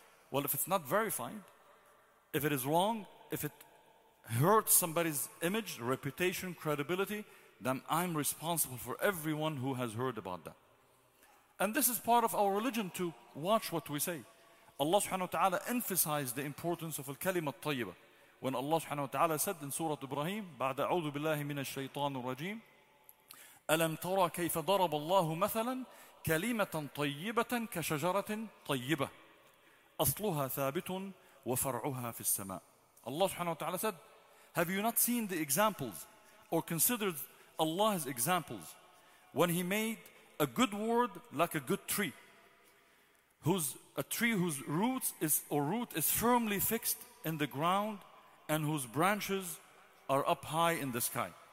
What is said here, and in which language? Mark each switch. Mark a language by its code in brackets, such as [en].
[en] Well, if it's not verified, if it is wrong, if it hurts somebody's image, reputation, credibility, then I'm responsible for everyone who has heard about that. And this is part of our religion to watch what we say. Allah subhanahu wa ta'ala emphasized the importance of al-kalima al-tayyiba. When Allah subhanahu wa ta'ala said in Surah Ibrahim, [ar] بعد أعوذ بالله من الشيطان الرجيم, ألم ترى كيف ضرب الله مثلا كلمة طيبة كشجرة طيبة أصلها ثابت وفرعها في السماء. [en] Allah subhanahu wa ta'ala said, have you not seen the examples or considered Allah's examples when he made a good word like a good tree, whose roots is or root is firmly fixed in the ground and whose branches are up high in the sky.